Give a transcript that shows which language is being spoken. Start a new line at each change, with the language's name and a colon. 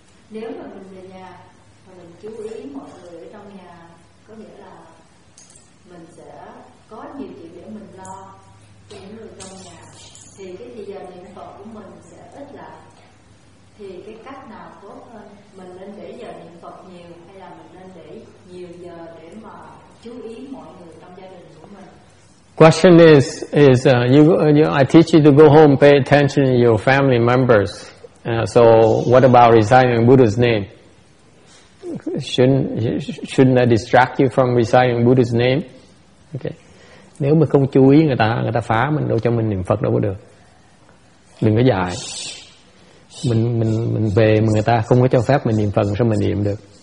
Vietnamese: Nếu mà mình về nhà và mình chú ý mọi người ở trong nhà, có nghĩa là mình sẽ có nhiều chuyện để mình lo cho những người trong nhà, thì cái thời gian niệm Phật của mình sẽ ít lại. Thì cái cách nào tốt hơn? Mình nên để giờ niệm Phật nhiều hay là mình nên để nhiều giờ để mà chú ý mọi người trong gia đình của mình?
English: Question is I teach you to go home, pay attention to your family members. So what about reciting Buddha's name? Shouldn't that distract you from reciting Buddha's name? Okay.
Vietnamese: Nếu mà không chú ý người ta phá mình, đâu cho mình niệm Phật đâu có được. Đừng có dài. Mình về mà người ta không có cho phép mình niệm Phật, sao mình niệm được?